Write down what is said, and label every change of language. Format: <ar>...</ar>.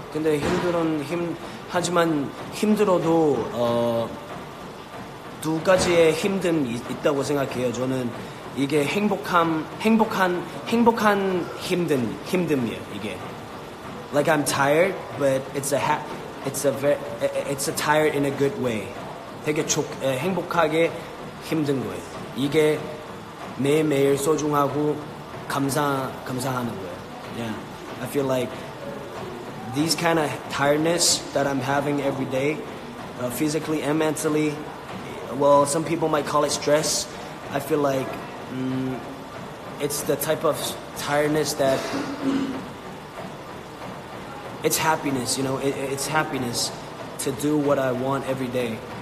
<ko>근데 힘들은 힘 하지만 힘들어도 두 가지의 힘듦 있다고 생각해요. 저는 이게 행복한 힘듦이에요.</ko> <en>이게 like I'm tired, but it's a tired in a good way.</en> <ko>되게 행복하게 힘든 거예요. 이게 매일 소중하고 감사하는 거예요.</ko> <en>Yeah, I feel like these kind of tiredness that I'm having every day, physically and mentally, well, some people might call it stress. I feel like it's the type of tiredness that, it's happiness, you know, it's happiness to do what I want every day.</en>